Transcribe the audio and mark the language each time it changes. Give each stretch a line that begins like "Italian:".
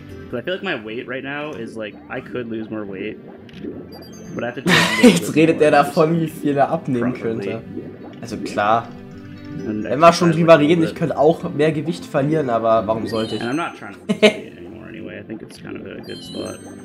English: But I feel like my weight right now is like I could lose more weight. But I have to.
German: Jetzt redet er davon, wie viel er abnehmen könnte. Also klar. Wenn wir schon drüber reden, ich könnte auch mehr Gewicht verlieren, aber warum sollte ich?
English: And I'm not trying to lose I think it's kind of a good spot.